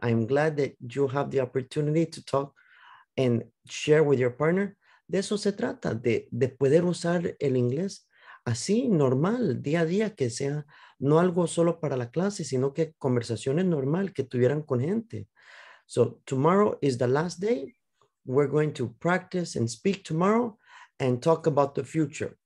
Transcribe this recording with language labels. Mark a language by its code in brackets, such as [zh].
[en] I'm glad that you have the opportunity to talk and share with your partner. [es] De eso se trata, de poder usar el inglés así, normal, día a día, que sea no algo solo para la clase, sino que conversaciones normal que tuvieran con gente. [en] So tomorrow is the last day. We're going to practice and speak tomorrow and talk about the future.